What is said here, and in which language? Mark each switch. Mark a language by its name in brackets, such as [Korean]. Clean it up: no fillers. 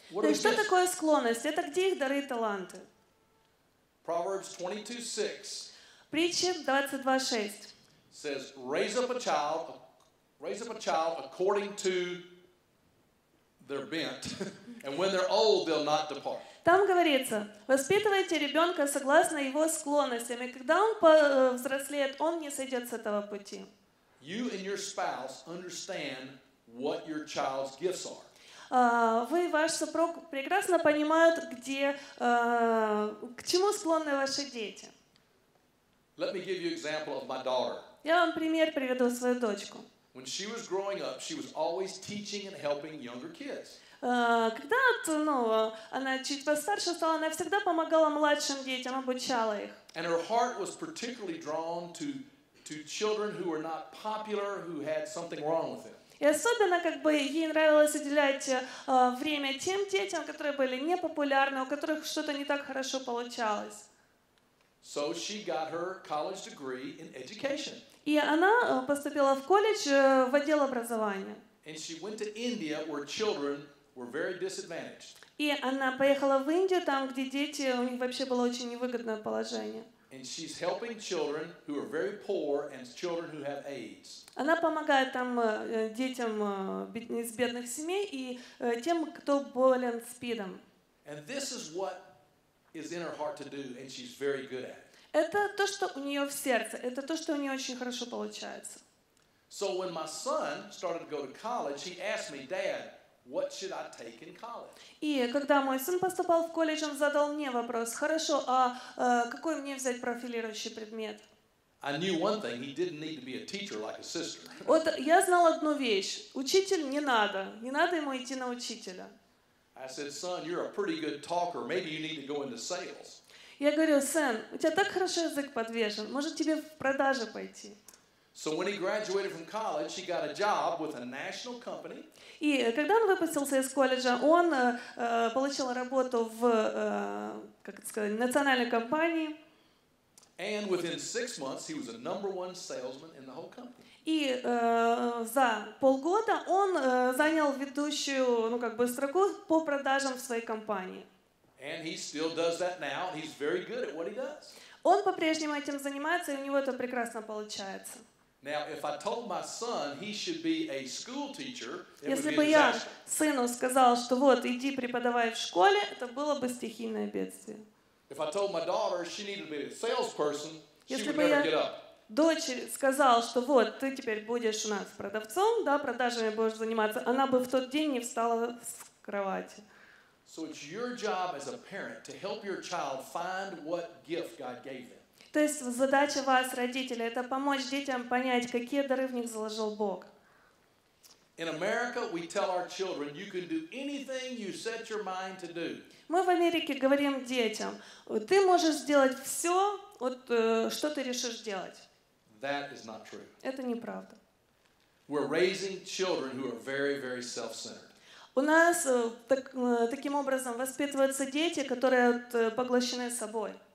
[Russian] То есть что такое склонность? Это где их дары и таланты? [English] Proverbs 22:6. [Russian] Притча 22:6. [English] Says, raise up a child according to their bent. And when they're old, they'll not depart. [Russian] Там говорится: воспитывайте ребенка согласно его склонностям, и когда он взрослеет, он не сойдет с этого пути. [English] You and your spouse understand what your child's gifts are. [Russian] Вы и ваш супруг прекрасно понимают, где, к чему склонны ваши дети. [English] Let me give you an example of my daughter. [Russian] Я вам пример приведу свою дочку. [English] When she was growing up, she was always teaching and helping younger kids. [Russian] Когда ну, она чуть постарше стала, она всегда помогала младшим детям, обучала их. [English] And her heart was particularly drawn to children who were not popular, who had something wrong with them. [Russian] И особенно как бы ей нравилось уделять время тем детям, которые были непопулярны, у которых что-то не так хорошо получалось. [English] So she got her college degree in education. [Russian] И она поступила в колледж в отдел образования. [English] And she went to India, where children were very disadvantaged. [Russian] И она поехала в Индию, там, где дети, у них вообще было очень невыгодное положение. [English] And she's helping children who are very poor and children who have AIDS. [Russian] Она помогает там детям из бедных семей и тем, кто болен СПИДом. [English] And this is what is in her heart to do, and she's very good at it. [Russian] Это то, что у нее в сердце. Это то, что у нее очень хорошо получается. [English] So when my son started to go to college, he asked me, "Dad, what should I take in college?" [Russian] И когда мой сын поступал в колледж, он задал мне вопрос: "Хорошо, а какой мне взять профилирующий предмет?" [English] I knew one thing: he didn't need to be a teacher like his sister. [Russian] Вот я знал одну вещь: учитель не надо, не надо ему идти на учителя. [English] I said, "Son, you're a pretty good talker. Maybe you need to go into sales." [Russian] Я говорю: "Сын, у тебя так хорошо язык подвешен, может тебе в продажи пойти?" [English] So when he graduated from college, he got a job with a national company. [Russian] И когда он выпустился из колледжа, он получил работу в как это сказать, национальной компании. [English] And within 6 months, he was a number one salesman in the whole company. [Russian] И за полгода он занял ведущую, ну как бы строку по продажам в своей компании. [English] And he still does that now. He's very good at what he does. [Russian] Он по-прежнему этим занимается, и у него это прекрасно получается. [English] Now, if I told my son he should be a school teacher, [Russian] если бы я сыну сказал, что вот иди преподавай в школе, это было бы стихийное бедствие. [English] If I told my daughter she needed to be a salesperson, [Russian] если бы я дочери сказал, что вот ты теперь будешь у нас продавцом, да, продажами будешь заниматься, она бы в тот день не встала с кровати. [English] So it's your job as a parent to help your child find what gift God gave them. [Russian] То есть задача вас, родителей, это помочь детям понять, какие дары в них заложил Бог. [English] In America, we tell our children, you can do anything you set your mind to do. [Russian] Мы в Америке говорим детям: ты можешь сделать все, вот что ты решишь делать. [English] That is not true. [Russian] Это неправда. [English] We're raising children who are very, very self-centered. [Russian] У нас таким образом воспитываются дети, которые поглощены собой.